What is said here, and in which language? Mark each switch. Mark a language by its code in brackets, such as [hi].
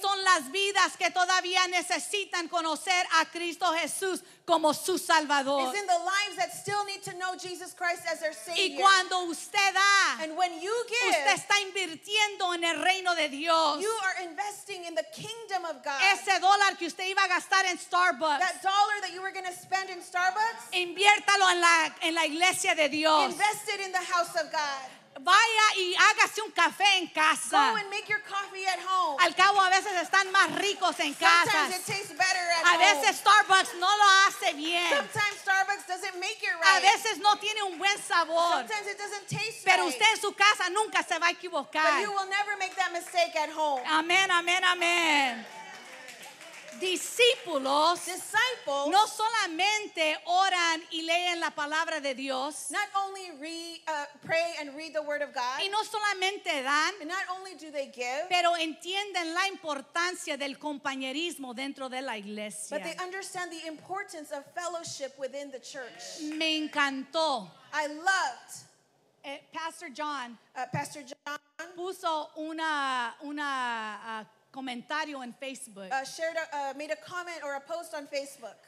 [es] son las vidas que todavía todavía necesitan conocer a Cristo Jesús como su Salvador. [en] Is in the lives that still need to know Jesus Christ as their Savior. [es] Y cuando usted da, [en] and when you give, [es] usted está invirtiendo en el reino de Dios. [en] You are investing in the kingdom of God. [es] Ese dólar que usted iba a gastar en Starbucks. [en] That dollar that you were going to spend in Starbucks. [es] Inviértalo en la iglesia de Dios. [en] Invest it in the house of God. [es] Vaya y hágase un café en casa. [en] Go and make your coffee at home. [es] Al cabo a veces están más ricos en casa. [en] Sometimes it tastes better at home. [es] A veces Starbucks no lo hace bien. [en] Sometimes Starbucks doesn't make it right. [es] A veces no tiene un buen sabor. [en] Sometimes it doesn't taste right. [es] Pero usted en su casa nunca se va a equivocar. [en] But you will never make that mistake at home. [es] Amén, amén, amén. Discípulos [en] disciples [es] no solamente oran y leen la la palabra de Dios. [en] Not only read, pray and read the word of God. [es] Y no solamente dan. [en] And not only do they give. [es] Pero entienden la importancia del compañerismo dentro de la iglesia. [en] But they understand the importance of fellowship within the church. [es] Me encantó. [en] I loved. [es] Pastor John. [en] Pastor John. [es] Puso una comentario en Facebook. [en] Made a comment or a post on Facebook.